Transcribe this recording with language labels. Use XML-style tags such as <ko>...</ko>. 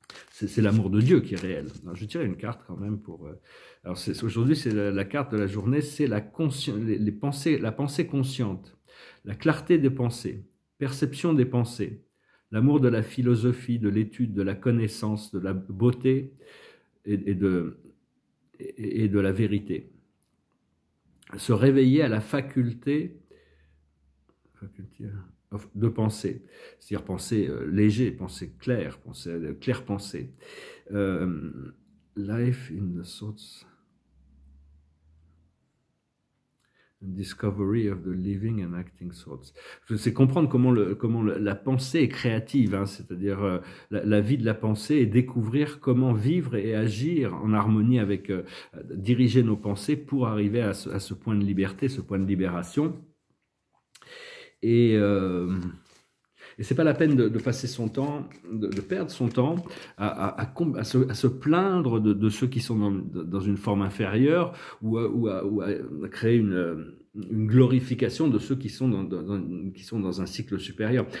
<fr>C'est l'amour de Dieu qui est réel. Alors, je tirais une carte quand même pour. Alors aujourd'hui, c'est la carte de la journée, c'est la pensée consciente, la clarté des pensées, perception des pensées, l'amour de la philosophie, de l'étude, de la connaissance, de la beauté et de la vérité. Se réveiller à la faculté de penser, c'est-à-dire penser léger, penser clair, penser clair penser.</fr> <en>Life in the thoughts, discovery of the living and acting thoughts.</en> <fr>C'est comprendre comment la pensée est créative, hein, c'est-à-dire la vie de la pensée et découvrir comment vivre et agir en harmonie avec diriger nos pensées pour arriver à ce point de liberté, ce point de libération. Et c'est pas la peine de passer son temps, de perdre son temps à se plaindre de ceux qui sont dans une forme inférieure ou à créer une glorification de ceux qui sont dans un cycle supérieur.</fr>